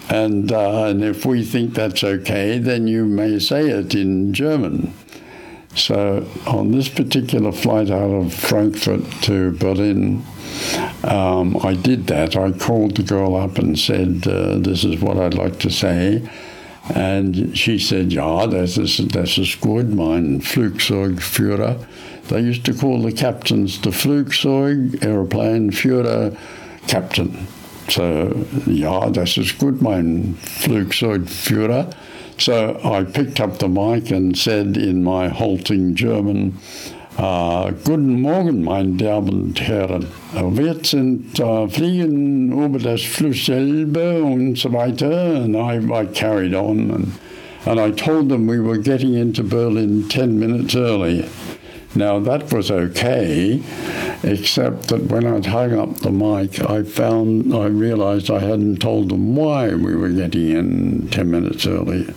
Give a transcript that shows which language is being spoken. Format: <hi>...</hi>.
<en>And if we think that's okay, then you may say it in German. So on this particular flight out of Frankfurt to Berlin, I did that. I called the girl up and said, this is what I'd like to say. And she said,</en> <de>ja, das ist gut, mein Flugzeugführer.</de> <en>They used to call the captains the Flugzeug, aeroplane, Führer, captain.</en> <de>So, ja, das ist gut, mein Flugzeugführer.</de> <en>So I picked up the mic and said in my halting German,</en> <de>Guten Morgen, meine Damen und Herren. Wir sind fliegen über das Fluss Elbe und so weiter.</de> <en>And I carried on and I told them we were getting into Berlin 10 minutes early. Now that was okay, except that when I'd hung up the mic, I realized I hadn't told them why we were getting in 10 minutes early.</en>